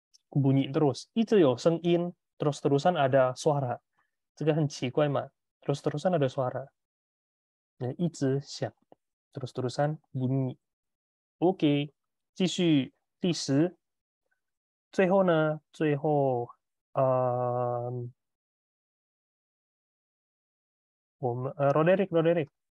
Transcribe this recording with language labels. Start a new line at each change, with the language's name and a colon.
Indonesian: Bunyi terus,
Chinese: 一直有声音,
Indonesian: terus-terusan ada suara.
Chinese: 这个很奇怪嘛,
Indonesian: terus-terusan ada suara.
Chinese: 一直响,
Indonesian: terus-terusan bunyi.
Chinese: OK, 继续第十。最后呢，最后，我们Roderick，